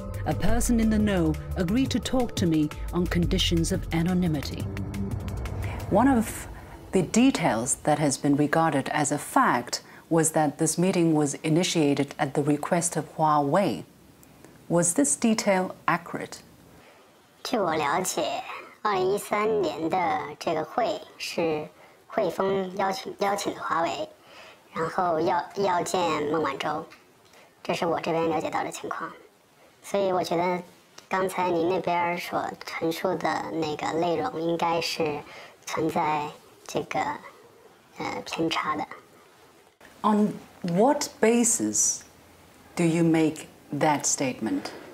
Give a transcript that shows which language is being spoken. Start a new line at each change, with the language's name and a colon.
English: A person in the know agreed to talk to me on conditions of anonymity. One of the details that has been regarded as a fact was that this meeting was initiated at the request of Huawei. Was this detail accurate?
Chinese: 据我了解, 2013年的这个会是汇丰邀请的华为, 然后要见孟晚舟, 这是我这边了解到的情况。所以我觉得刚才您那边所陈述的那个内容应该是存在这个偏差的。
English: On what basis do you make that statement?